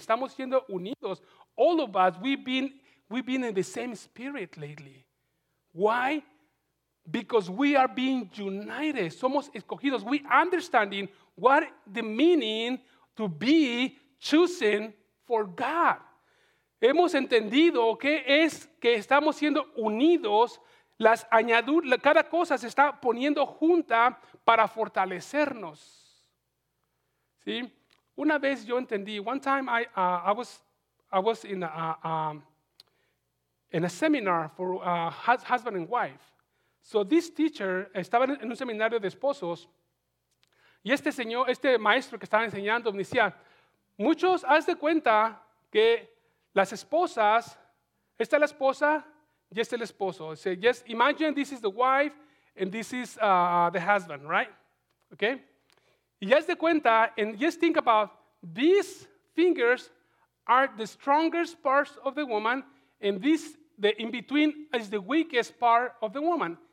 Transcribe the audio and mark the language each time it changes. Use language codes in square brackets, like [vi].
[es] Estamos siendo unidos. [en] All of us, we've been in the same spirit lately. Why? Because we are being united. [es] Somos escogidos. [en] We understanding what the meaning to be chosen for God. [es] Hemos entendido que es que estamos siendo unidos. Las añaduras, cada cosa se está poniendo junta para fortalecernos. ¿Sí? Una vez yo entendí. [en] One time I was in a seminar for husband and wife. So this teacher [es] estaba en un seminario de esposos y este señor, este maestro que estaba enseñando me decía, muchos, haz de cuenta que las esposas, esta es la esposa y este es el esposo. [en] So just imagine this is the wife and this is the husband, right? Okay? [es] Y haz de cuenta, [en] and just think about, these fingers are the strongest parts of the woman and this, the in-between, is the weakest part of the woman.